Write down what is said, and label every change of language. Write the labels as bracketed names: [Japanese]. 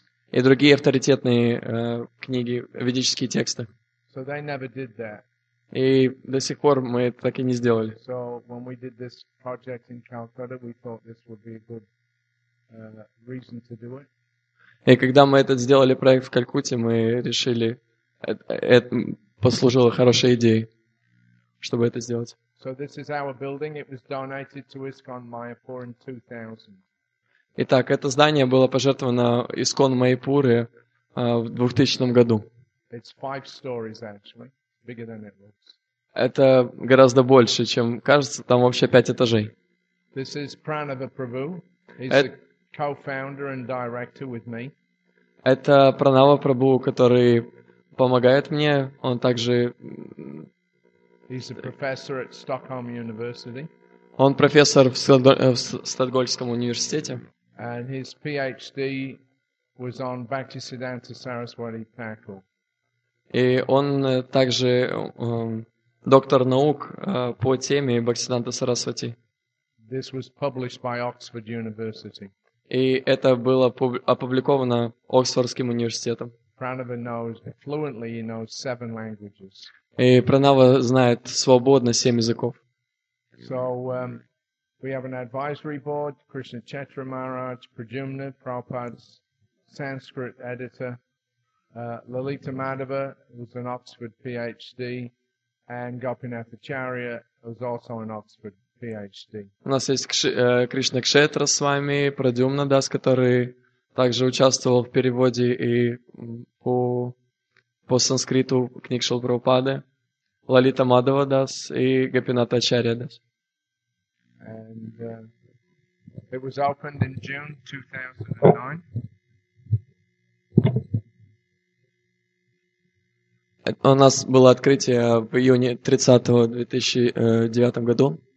[Russian] и другие авторитетные книги, ведические тексты. [English] So they never did that. [Russian] И до сих пор мы это так и не сделали. [English] So when we did this project in Calcutta, we thought this would be a good reason to do it. [Russian] И когда мы этот сделали проект в Калькутте, мы решили, это послужило хорошей идеей, чтобы это сделать. [English] So this is our building. It was donated to ISKCON Mayapur in 2000. [Russian] Итак, это здание было пожертвовано ISKCON Майпуре в 2000 году. [English] It's five stories actually, bigger than it looks. [Russian] Это гораздо больше, чем кажется. Там вообще 5 этажей. [English] This is Pranava Prabhu. He's a co-founder and director with me. [Russian] Это Пранава Прабу, который помогает мне. Он также. [English] He's a professor at Stockholm University. [Russian] Он профессор в Стокгольмском университете. [English] And his PhD was on Bhaktisiddhanta Saraswati Thakur. [Russian] И он также доктор наук по теме Бхактисиддханта Сарасвати. [English] This was published by Oxford University. [Russian] И это было опубликовано Оксфордским университетом. [English] Pranava knows fluently, he knows 7 languages. [Russian] И Пранава знает свободно 7 языков. [English] So we have an advisory board, Krishna Chetra Maharaj, Prajumna, Prabhupada's Sanskrit editor. Lalita Madhava was an Oxford PhD, and Gopinath Acharya was also an Oxford PhD. [Russian] У нас есть Кришна Кшетра с вами, Прадюмна Дас, который также участвовал в переводе и по санскриту книг Шрилы Прабхупады, Лалита Мадхава Дас и Гопинатха Ачарья Дас. [English] And it was opened in June 2009. [Russian] У нас было открытие в июне 30-го 2009 году.